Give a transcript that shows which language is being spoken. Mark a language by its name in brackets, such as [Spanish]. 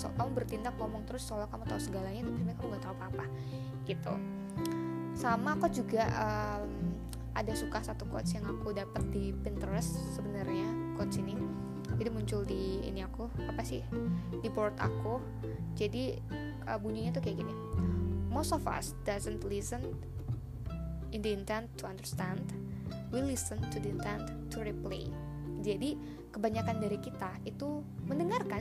[Indonesian] So, kamu bertindak ngomong terus soalnya kamu tahu segalanya, tapi sebenarnya kamu gak tahu apa-apa gitu. Sama aku juga ada suka satu quotes yang aku dapat di Pinterest sebenarnya, quotes ini. Jadi muncul di ini aku, apa sih? Di board aku. Jadi bunyinya tuh kayak gini. [English] Most of us doesn't listen in the intent to understand. We listen to the intent to replay. [Indonesian] Jadi kebanyakan dari kita itu mendengarkan.